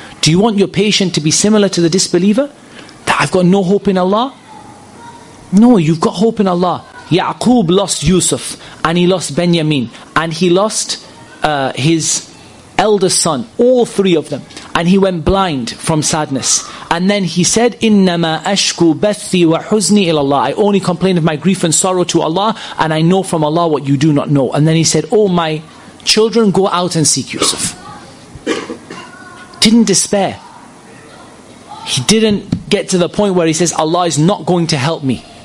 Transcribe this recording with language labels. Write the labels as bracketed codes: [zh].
[en] Do you want your patient to be similar to the disbeliever? That I've got no hope in Allah? No, you've got hope in Allah. Ya'qub lost Yusuf and he lost Benjamin and he lost his eldest son, all three of them. And he went blind from sadness. And then he said, [ar] إِنَّمَا أَشْكُوا بَثِّي وَحُزْنِي إِلَى اللَّهِ. [en] I only complain of my grief and sorrow to Allah and I know from Allah what you do not know. And then he said, oh my children, go out and seek Yusuf. Didn't despair. He didn't get to the point where he says, Allah is not going to help me.